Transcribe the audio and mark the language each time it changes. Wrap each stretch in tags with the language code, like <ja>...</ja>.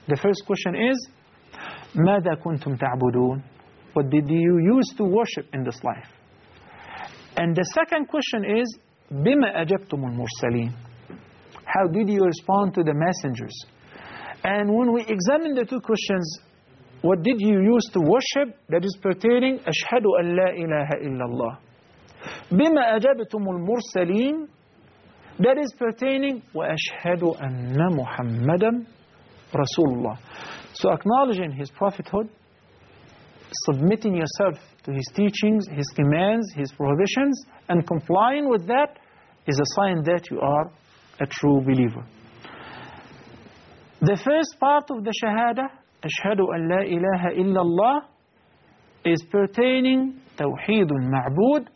<en>The first question is,</en> <ar>ماذا كنتم تعبدون?</ar> <en>What did you use to worship in this life? And the second question is,</en> <ar>بِمَا أَجَبْتُمُ الْمُرْسَلِينَ?</ar> <en>How did you respond to the messengers? And when we examine the two questions, what did you use to worship? That is pertaining,</en> <ar>أَشْهَدُ أَنْ لَا إِلَهَ إِلَّا اللَّهِ بِمَا أَجَبْتُمُ الْمُرْسَلِينَ?</ar> <en>That is pertaining,</en> <ar>وَأَشْهَدُ أَنَّ مُحَمَّدًا رَسُولُ اللَّهِ.</ar> <en>So acknowledging his prophethood, submitting yourself to his teachings, his commands, his prohibitions, and complying with that is a sign that you are a true believer. The first part of the shahada,</en> <ar>ashhadu an la ilaha illallah,</ar> <en>is pertaining tawheed al-ma'bud.</en>